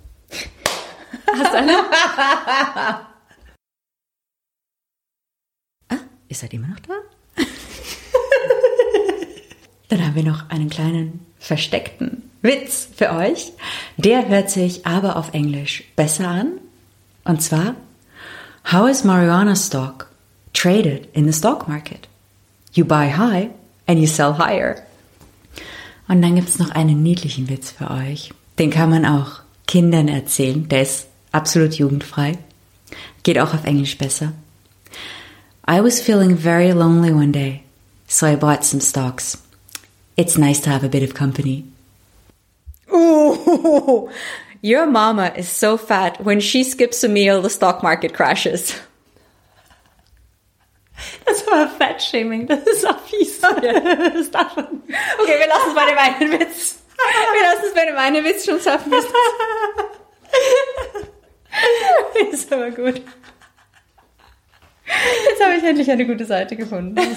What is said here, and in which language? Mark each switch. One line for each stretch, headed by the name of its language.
German: Hast du eine? Ah, ihr seid immer noch da? Dann haben wir noch einen kleinen versteckten Witz für euch. Der hört sich aber auf Englisch besser an. Und zwar,
English: how is marijuana stock traded in the stock market? You buy high and you sell higher.
German: Und dann gibt es noch einen niedlichen Witz für euch. Den kann man auch Kindern erzählen. Der ist absolut jugendfrei. Geht auch auf Englisch besser.
English: I was feeling very lonely one day, so I bought some stocks. It's nice to have a bit of company. Ooh, your mama is so fat, when she skips a meal, the stock market crashes.
German: Das war Fat-Shaming, das ist auch fies. Das darf man. Okay, wir lassen es bei dem einen Witz. Wir lassen es bei dem einen Witz schon schaffen. Ist aber gut. Jetzt habe ich endlich eine gute Seite gefunden.